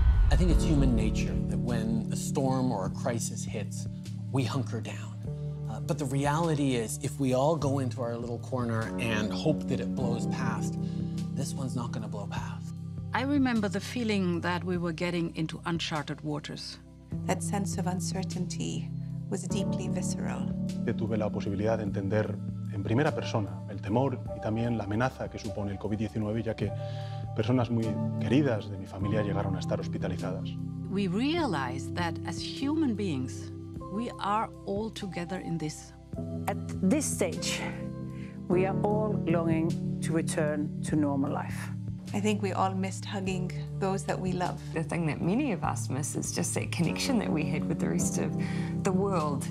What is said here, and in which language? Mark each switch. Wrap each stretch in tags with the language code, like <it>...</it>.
<en>I think it's human nature that when a storm or a crisis hits, we hunker down. But the reality is, if we all go into our little corner and hope that it blows past, this one's not gonna blow past. I remember the feeling that we were getting into uncharted waters. That sense of uncertainty was deeply visceral.</en> <es>Yo tuve la posibilidad de entender en primera persona el temor y también la amenaza que supone el COVID-19, ya que personas muy queridas de mi familia llegaron a estar hospitalizadas.</es> <en>We realized that as human beings, we are all together in this. At this stage, we are all longing to return to normal life. I think we all missed hugging those that we love. The thing that many of us miss is just that connection that we had with the rest of the world.</en>